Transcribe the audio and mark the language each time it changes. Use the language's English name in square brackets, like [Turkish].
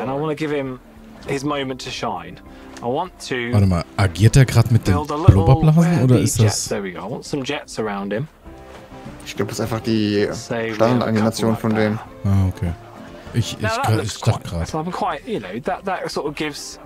[English] And I want to give him his moment to shine. I want to [German] warte mal, agiert er gerade mit den Blubberblasen oder ist das? [English] There we go. I want some jets around him. [German] Ich glaube, das ist einfach die Standardanimation von denen. Ah, okay. Ich dachte gerade. [English] So I'm quite, you know, that sort of gives.